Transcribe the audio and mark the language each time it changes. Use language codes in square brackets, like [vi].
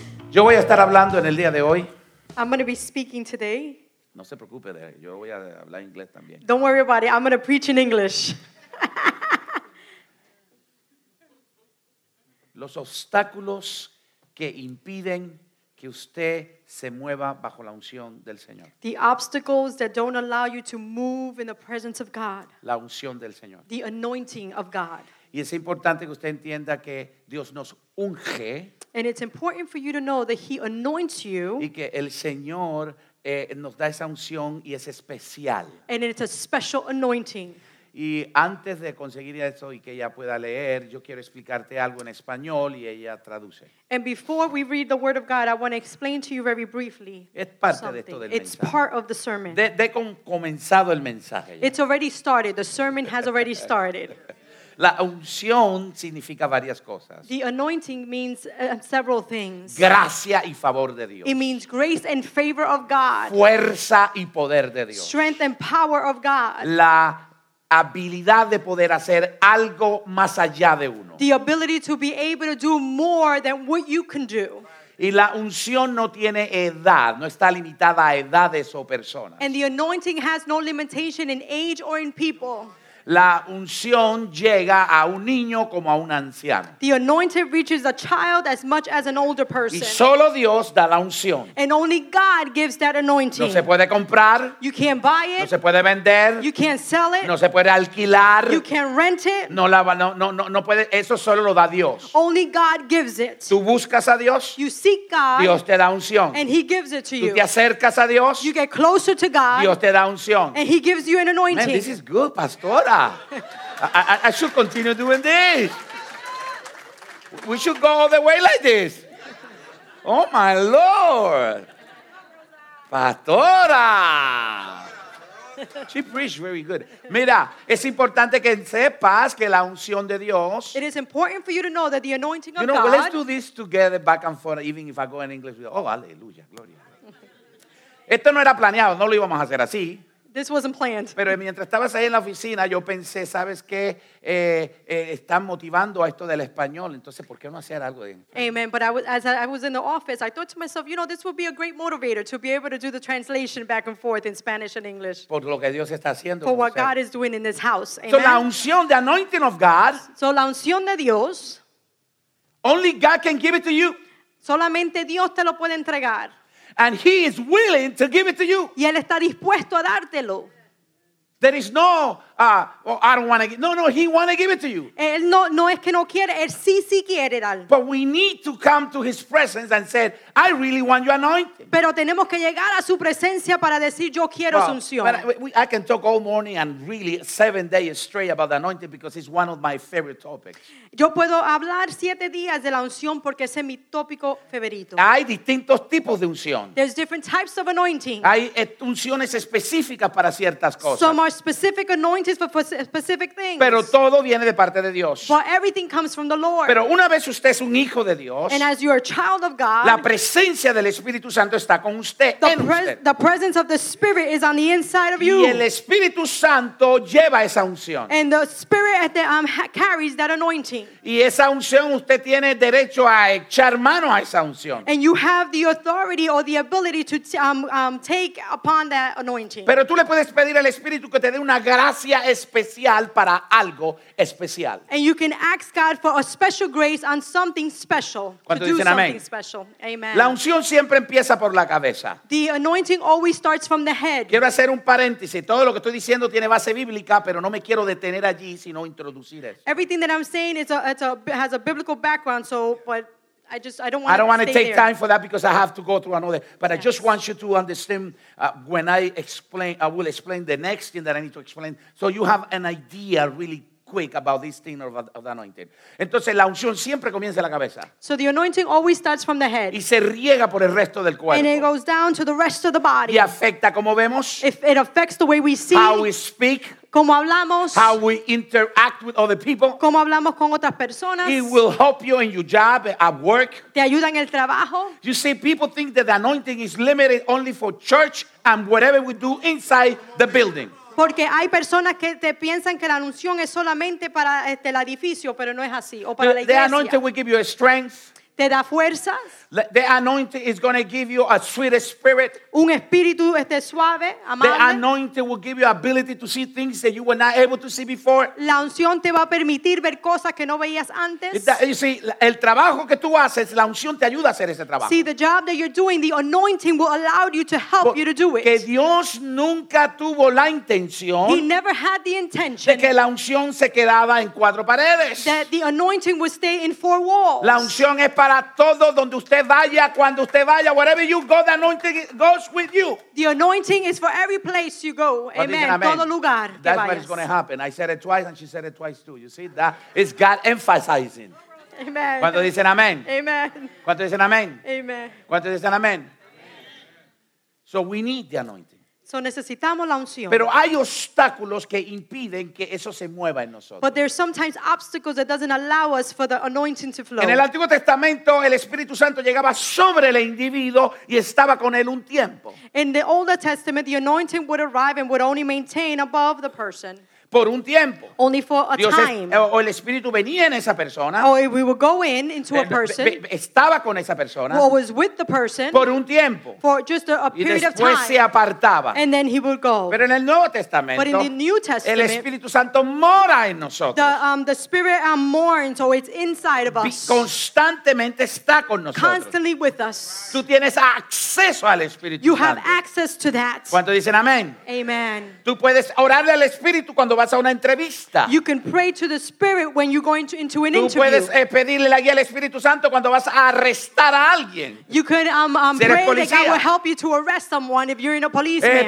[es] Yo voy a estar hablando en el día de hoy. [en] I'm going to be speaking today. [es] No se preocupe, yo voy a hablar inglés también. [en] Don't worry about it, I'm going to preach in English. [es] Los obstáculos que impiden que usted se mueva bajo la unción del Señor. [en] The obstacles that don't allow you to move in the presence of God. [es] La unción del Señor. [en] The anointing of God. [es] Y es importante que usted entienda que Dios nos unge. [en] And it's important for you to know that He anoints you. [es] Y que el Señor nos da esa unción y es especial. [en] And it's a special anointing. [es] Y antes de conseguir eso y que ella pueda leer, yo quiero explicarte algo en español y ella traduce. [en] And before we read the word of God, I want to explain to you very briefly. [es] Es parte something. De esto del [en] it's [es] mensaje. [en] Part of the sermon. [es] De comenzado el mensaje. Ya. [en] It's already started. The sermon has already started. [es] La unción significa varias cosas. [en] The anointing means several things. [es] Gracia y favor de Dios. [en] It means grace and favor of God. [es] Fuerza y poder de Dios. [en] Strength and power of God. [es] La habilidad de poder hacer algo más allá de uno. [en] The ability to be able to do more than what you can do. [es] Y la unción no tiene edad, no está limitada a edades o personas. [en] And the anointing has no limitation in age or in people. [es] La unción llega a un niño como a un anciano. [en] The anointed reaches a child as much as an older person. [es] Y solo Dios da la unción. [en] And only God gives that anointing. [es] No se puede comprar. [en] You can't buy it. [es] No se puede vender. [en] You can't sell it. [es] No se puede alquilar. [en] You can't rent it. [es] No puede. Eso solo lo da Dios. [en] Only God gives it. [es] Tú buscas a Dios. [en] You seek God. [es] Dios te da unción. [en] And He gives it to you. [es] Tú te acercas a Dios. [en] You get closer to God. [es] Dios te da unción. [en] And He gives you an anointing. Man, this is good, Pastor. I should continue doing this. We should go all the way like this. Oh my Lord. Pastora. She preached very good. [es] Mira, es importante que sepas que la unción de Dios. [en] It is important for you to know that the anointing of God. You know, God, let's do this together back and forth, even if I go in English. Oh, hallelujah, gloria. [es] Esto no era planeado, no lo íbamos a hacer así. [en] This wasn't planned. [es] Pero mientras estabas ahí en la oficina, yo pensé, ¿sabes qué? Están motivando a esto del español. Entonces, ¿por qué no hacer algo de inglés? Amen. [en] But as I was in the office, I thought to myself, you know, this would be a great motivator to be able to do the translation back and forth in Spanish and English. [es] Por lo que Dios está haciendo. [en] For what God is doing in this house. Amen. So [es] la unción, [en] the anointing of God. [es] So la unción de Dios. [en] Only God can give it to you. [es] Solamente Dios te lo puede entregar. [en] And He is willing to give it to you. [es] Y él está dispuesto a dártelo. [en] There is no, I don't want to give. No, He want to give it to you. [es] Él no es que no quiere. Él sí quiere darlo. [en] But we need to come to His presence and say, I really want your anointing. [es] Pero tenemos que llegar a su presencia para decir, yo quiero su unción. [en] I can talk all morning and really 7 days straight about the anointing because it's one of my favorite topics. [es] Yo puedo hablar 7 días de la unción porque ese es mi tópico favorito. Hay distintos tipos de unción. [en] There's different types of anointing. [es] Hay unciones específicas para ciertas cosas. [en] Some are specific anointings for specific things. [es] Pero todo viene de parte de Dios. [en] But everything comes from the Lord. [es] Pero una vez usted es un hijo de Dios. [en] And as you're a child of God. [es] La presencia del Espíritu Santo está con usted, usted. [en] The presence of the Spirit is on the inside of you. [es] Y el Espíritu Santo lleva esa unción. [en] And the Spirit carries that anointing. [es] Y esa unción usted tiene derecho a echar mano a esa unción. [en] And you have the authority or the ability to take upon that anointing. [es] Pero tú le puedes pedir al Espíritu que te dé una gracia especial para algo especial. [en] And you can ask God for a special grace on something special. [es] ¿Cuánto dicen amén? [en] Something special. Amen. [es] La unción siempre empieza por la cabeza. [en] The anointing always starts from the head. [es] Quiero hacer un paréntesis. Todo lo que estoy diciendo tiene base bíblica, pero no me quiero detener allí sino introducir eso. [en] Everything that I'm saying has a biblical background, so but I don't want to stay take Time for that because I have to go through another. But yes. I just want you to understand when I will explain the next thing that I need to explain, so you have an idea really quick about this thing of the anointing. [es] Entonces la unción siempre comienza en la cabeza. [en] So the anointing always starts from the head. [es] Y se riega por el resto del cuerpo. [en] And it goes down to the rest of the body. [es] Y afecta como vemos. [en] If it affects the way we see. How we speak. [es] Como hablamos. [en] How we interact with other people. [es] Como hablamos con otras personas. [en] It will help you in your job at work. [es] Te ayuda en el trabajo. [en] You see, people think that the anointing is limited only for church and whatever we do inside the building. [es] Porque hay personas que te piensan que la unción es solamente para este, el edificio, pero no es así. O para [en] the, [es] la iglesia. [en] The anointing will give you a strength. [es] Te da fuerzas. [en] The anointing is going to give you a sweet spirit. [es] Un espíritu este, suave, amable. [en] The anointing will give you ability to see things that you were not able to see before. [es] La unción te va a permitir ver cosas que no veías antes. [en] You see, [es] el trabajo que tú haces, la unción te ayuda a hacer ese trabajo. [en] See, the job that you're doing, the anointing will allow you to help But you to do it. [es] Que Dios nunca tuvo la intención. [en] He never had the intention. [es] De que la unción se quedaba en cuatro paredes. [en] That the anointing would stay in four walls. [es] La unción es para todo donde usted vaya, cuando usted vaya, [en] wherever you go, the anointing goes with you. The anointing is for every place you go. [es] Amen. Amen. Todo lugar. [en] That's what is going to happen. I said it twice and she said it twice too. You see, that is God emphasizing. Amen. [es] ¿Cuánto dicen amén? [en] Amen. [es] ¿Cuánto dicen amén? [en] Amen. [es] ¿Cuánto dicen amén? [en] So we need the anointing. [es] So necesitamos la unción. Pero hay obstáculos que impiden que eso se mueva en nosotros. [en] But there's sometimes obstacles that doesn't allow us for the anointing to flow. [es] En el Antiguo Testamento, el Espíritu Santo llegaba sobre el individuo y estaba con él un tiempo. [en] In the Old Testament, the anointing would arrive and would only maintain above the person. [es] Por un tiempo. [en] Only for a [es] Dios [en] time. [es] O el Espíritu venía en esa persona. [en] Or we would go in into a person. [es] Estaba con esa persona. [en] Or was with the person. [es] Por un tiempo. [en] For just a period of time. [es] Y después se apartaba. [en] And then he would go. [es] Pero en el Nuevo Testamento. [en] But in the New Testament. [es] El Espíritu Santo mora en nosotros. [en] The Spirit mourns, or it's inside of us. [es] Constantemente está con nosotros. [en] Constantly with us. [es] Tú tienes acceso al Espíritu [en] you [es] Santo. [en] You have access to that. [es] ¿Cuánto dicen amén? [en] Amen. [es] Tú puedes orarle al Espíritu cuando vas a una entrevista. [en] You can pray to the Spirit when you go into an [es] Tú [en] interview. [es] Puedes pedirle la guía al Espíritu Santo cuando vas a arrestar a alguien. [en] You can pray that God will help you to arrest someone if you're in a policeman.